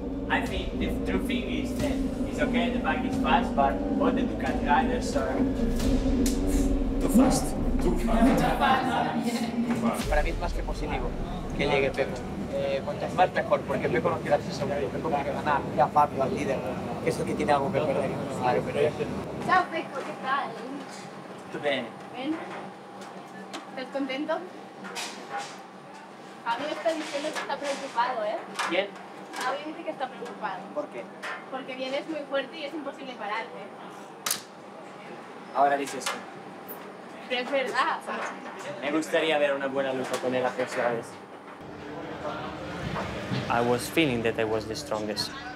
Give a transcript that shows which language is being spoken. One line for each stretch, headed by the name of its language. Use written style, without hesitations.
English: I think the true thing is that it's okay, the bike is fast, but all the Ducati riders are too fast. Too fast. Too fast.
Spanish: Para mí es más que positivo que llegue Pepe. Cuanto más mejor, porque Pepo no quiere hacer segundo, Pepo no quiere ganar. ¿Bien? ¿Estás contento? Fabio está diciendo que está preocupado, ¿eh? ¿Quién? Fabio dice que está preocupado. ¿Por qué? Porque vienes muy fuerte y es imposible pararte. Ahora dices eso. Pero es verdad. Me gustaría ver una buena lucha con él a personales.
English: I was feeling that I was the strongest.